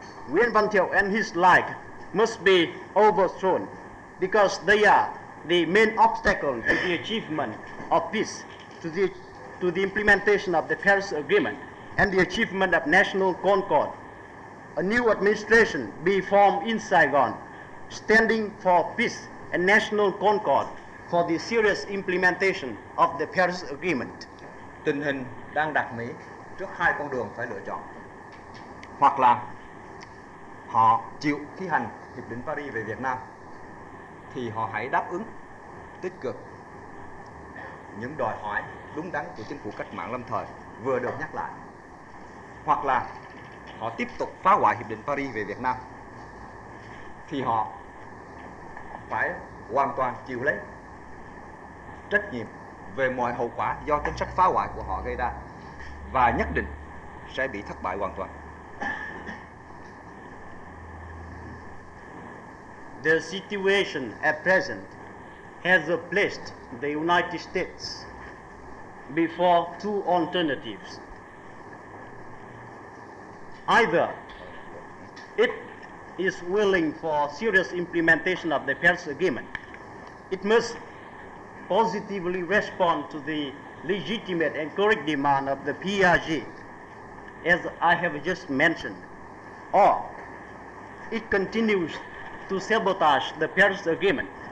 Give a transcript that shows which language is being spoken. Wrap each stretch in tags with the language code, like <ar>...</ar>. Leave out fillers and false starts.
<en>Nguyễn Văn Thiệu and his like must be overthrown because they are the main obstacle to the achievement of peace, to the implementation of the Paris Agreement and the achievement of national concord. A new administration be formed in Saigon, standing for peace and national concord, for the serious implementation of the Paris Agreement.</en> <vi>Tình hình đang đặt Mỹ trước hai con đường phải lựa chọn. Hoặc là họ chịu thi hành Hiệp định Paris về Việt Nam, thì họ hãy đáp ứng tích cực những đòi hỏi đúng đắn của chính phủ cách mạng lâm thời vừa được nhắc lại. Hoặc là họ tiếp tục phá hoại Hiệp định Paris về Việt Nam, thì họ phải hoàn toàn chịu lấy trách nhiệm về mọi hậu quả do chính sách phá hoại của họ gây ra, và nhất định sẽ bị thất bại hoàn toàn.</vi> <en>The situation at present has placed the United States before two alternatives. Either it is willing for serious implementation of the Paris Agreement, it must positively respond to the legitimate and correct demand of the PRG, as I have just mentioned, or it continues to sabotage the Paris Agreement.</en>